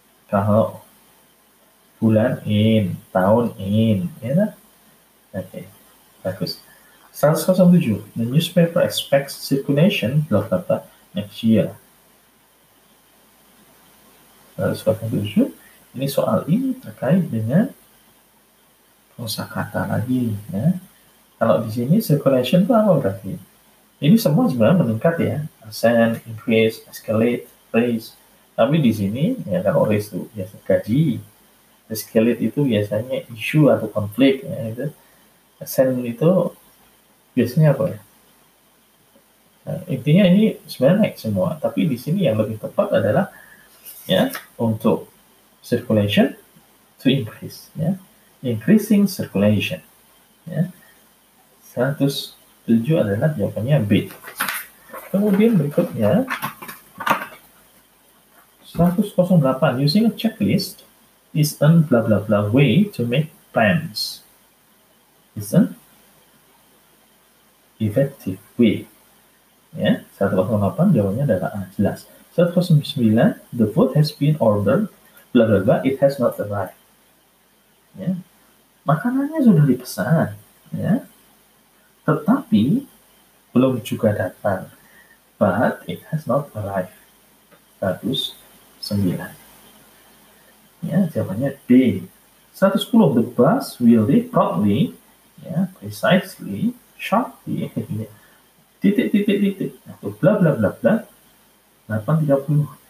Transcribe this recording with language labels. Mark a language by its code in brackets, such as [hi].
[id] Kalau bulan in, tahun in, ya lah. Oke, bagus. [en] 107, the newspaper expects circulation blah blah blah next year. [id] 107, ini soal ini terkait dengan kosakata lagi, ya. Kalau di sini circulation itu apa berarti? Ini semua sebenarnya meningkat ya, ascend, increase, escalate, raise. Tapi di sini ya kalau raise itu biasa gaji. Escalate itu biasanya isu atau konflik ya, itu send itu biasanya apa ya? Nah, intinya ini sebenarnya naik semua, tapi di sini yang lebih tepat adalah ya untuk circulation to increase ya, increasing circulation ya. [en] 107 adalah jawabannya B. Kemudian berikutnya 108, using a checklist is an blah blah blah way to make plans. Is an effective way. [id] Ya, 108 jawabannya adalah A, jelas. [en] 109, the food has been ordered, blah blah blah, it has not arrived. [id] Ya, makanannya sudah dipesan, ya, tetapi belum juga datang. [en] But it has not arrived. 109. [id] Ya, jawabannya D. 110, the bus will leave promptly, ya, precisely, sharply, titik-titik-titik, atau bla bla bla bla, 830.